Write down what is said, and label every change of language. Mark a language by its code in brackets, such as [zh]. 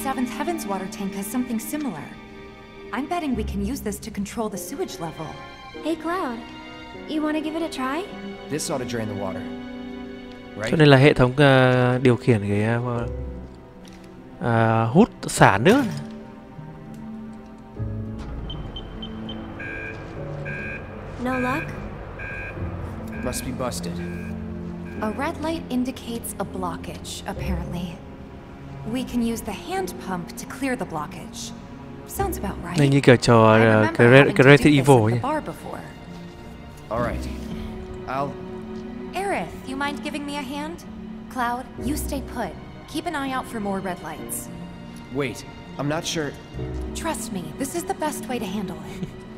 [en] Seventh Heaven's water tank has something similar. I'm betting we can use this to control the sewage level. Hey Cloud, you want to give it a try? This ought to drain the water. Right. [vi] Cho nên là hệ thống điều khiển cái hút xả nước. [en] No luck. Must be busted. A red light indicates a blockage, apparently. We can use the hand pump to clear the blockage. Sounds about right. [vi] Này như kiểu trò Resident Evil nhỉ. [en] All right. Aerith, you mind giving me a hand? Cloud, you stay put. Keep an eye out for more red lights. Wait, I'm not sure. Trust me, this is the best way to handle it.